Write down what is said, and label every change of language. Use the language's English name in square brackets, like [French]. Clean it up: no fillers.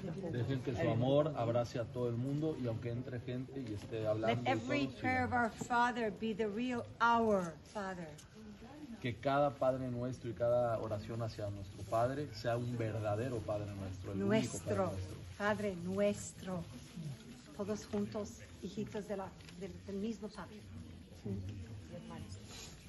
[Spanish] Dejen que su amor abrace a todo el mundo y aunque entre gente y esté hablando. [English] Let every prayer of our Father be the real our Father. [Spanish] Que cada Padre Nuestro y cada oración hacia nuestro Padre sea un verdadero Padre Nuestro, el nuestro, único Padre Nuestro. Padre Nuestro. Todos juntos, hijitos del mismo Padre. Mm-hmm.